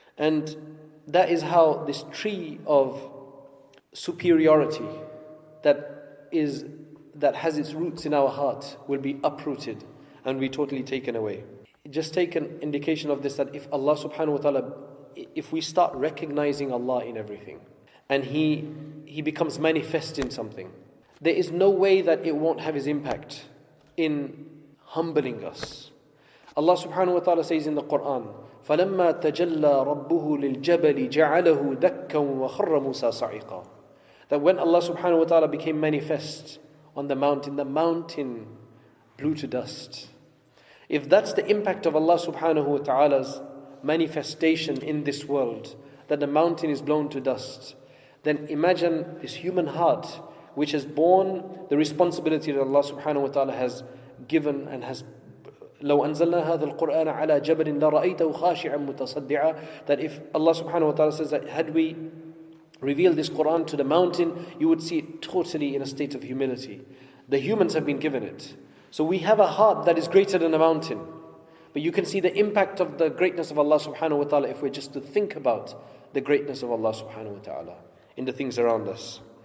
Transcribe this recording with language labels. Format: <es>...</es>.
<en>And that is how this tree of superiority that has its roots in our heart will be uprooted and be totally taken away. Just take an indication of this, that if Allah subhanahu wa ta'ala, if we start recognizing Allah in everything, and He becomes manifest in something, there is no way that it won't have His impact in humbling us. Allah subhanahu wa ta'ala says in the Quran,</en> <ar>فَلَمَّا تَجَلَّى رَبُّهُ لِلْجَبَلِ جَعَلَهُ دَكَّا وَخَرَّ مُوسَى صَعِقًا.</ar> <en>That when Allah subhanahu wa ta'ala became manifest on the mountain blew to dust. If that's the impact of Allah subhanahu wa ta'ala's manifestation in this world, that the mountain is blown to dust, then imagine this human heart which has borne the responsibility that Allah subhanahu wa ta'ala has given and has.</en> <ar>لو أنزلنا هذا القرآن على جبل لرأيته خاشعا متصدعا.</ar> <en>That if Allah subhanahu wa ta'ala says that had we revealed this Quran to the mountain, you would see it totally in a state of humility. The humans have been given it. So we have a heart that is greater than a mountain. But you can see the impact of the greatness of Allah subhanahu wa ta'ala if we're just to think about the greatness of Allah subhanahu wa ta'ala in the things around us.</en>